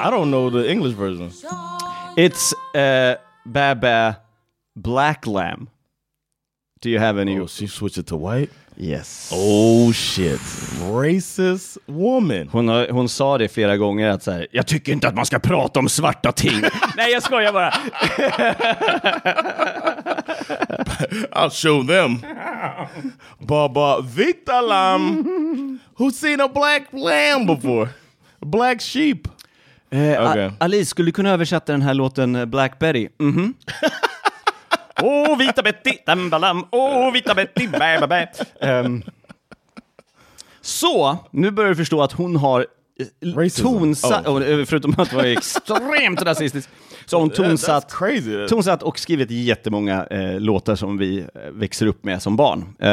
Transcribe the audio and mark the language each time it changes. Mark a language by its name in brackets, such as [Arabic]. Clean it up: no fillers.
[English] I don't know the English version. It's ba-ba, black lamb. Do you have any? Oh, she switched it to white? Yes. Oh, shit. Racist woman. [Swedish] Hon sa det flera gånger att så här, jag tycker inte att man ska prata om svarta ting. Nej, jag skojar bara. [English] I'll show them. Baba Vita Lam. Who's seen a black lamb before? Black sheep. Okay. [Swedish] Alice, skulle du kunna översätta den här låten Black Betty? Mm-hmm. Åh, oh, vita Betty, tambalam. Åh, oh, vita Betty, bababä. Så, nu börjar du förstå att hon har tonsatt, förutom att vara extremt rasistisk, så har hon tonsatt och skrivit jättemånga låtar som vi växer upp med som barn.